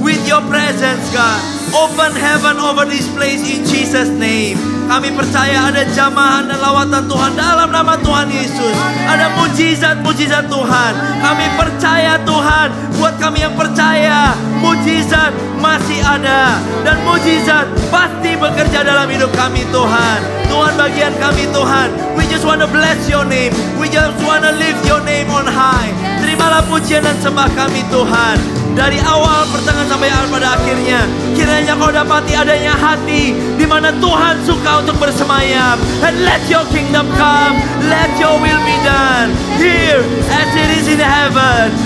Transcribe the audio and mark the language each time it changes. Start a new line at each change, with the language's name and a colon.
English: With your presence God, open heaven over this place in Jesus name.
Indonesian: Kami percaya ada jamahan dan lawatan Tuhan dalam nama Tuhan Yesus. Ada mujizat-mujizat Tuhan. Kami percaya Tuhan, buat kami yang percaya, mujizat masih ada. Dan mujizat pasti bekerja dalam hidup kami Tuhan. Tuhan, bagian kami Tuhan.
English: We just wanna bless your name. We just wanna lift your name on high.
Indonesian: Terimalah pujian dan sembah kami Tuhan. Dari awal, pertengahan sampai pada akhirnya, kiranya Kau dapati adanya hati di mana Tuhan suka untuk bersemayam.
English: And let your kingdom come, let your will be done here as it is in heaven.